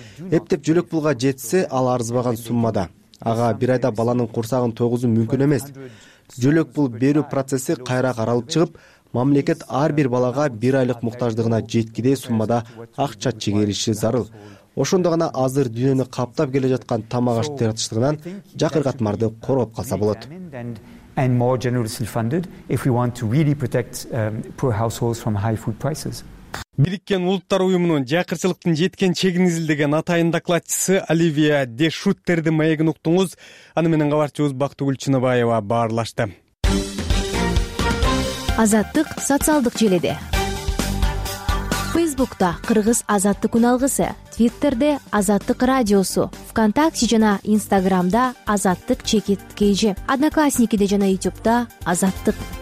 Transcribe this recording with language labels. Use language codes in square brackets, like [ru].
[ky] Эптеп жөлөк пулга жетсе, ал арызбаган суммада. Ага бир айда баланын курсагын тойгузуу мүмкүн эмес. Жөлөк пул берүү процесси кайра каралып чыгып, мамлекет ар бир балага бир айлык муктаждыгына жеткидей суммада акча чегериши зарыл. Ошондо гана азыр дүйнөнү каптап келе жаткан тамак аш тартыштыгынан жакыр катмарды коргоп калса болот. [en] And more generously funded if we want to really protect poor households from high food prices. [ky] Бириккен улуттар уюмунун жакырчылыктын жеткен чегин изилдеген атайын докладчысы Оливия де Шуттердин маегин уктуңуз. Аны менен кабарчыбыз Бактыгүл Чыныбаева баарлашты. Азаттык социалдык желеде. Фейсбукта Кыргыз Азаттык Уналгысы, Твиттерде Азаттык Радиосу, ВКонтакте жана Инстаграмда Азаттык Чекит КЖ, Одноклассникиде жана Ютубта Азаттык.